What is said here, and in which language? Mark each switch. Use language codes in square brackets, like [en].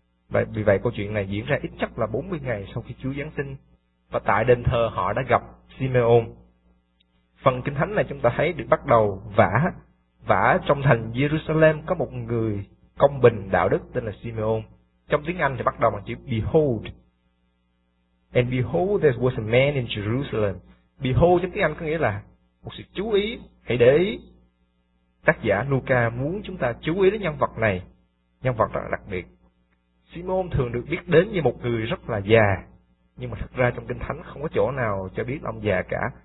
[vi] Vì vậy câu chuyện này diễn ra ít nhất là 40 ngày sau khi Chúa Giáng sinh. Và tại đền thờ họ đã gặp Simeon. Phần kinh thánh này chúng ta thấy được bắt đầu vả trong thành Jerusalem có một người công bình đạo đức tên là Simeon. Trong tiếng Anh thì bắt đầu bằng chữ behold. [en] And behold there was a man in Jerusalem. [vi] Behold trong tiếng Anh có nghĩa là một sự chú ý, hãy để ý. Tác giả Luca muốn chúng ta chú ý đến nhân vật này, nhân vật rất là đặc biệt. Simeon thường được biết đến như một người rất là già, nhưng mà thực ra trong kinh thánh không có chỗ nào cho biết ông già cả.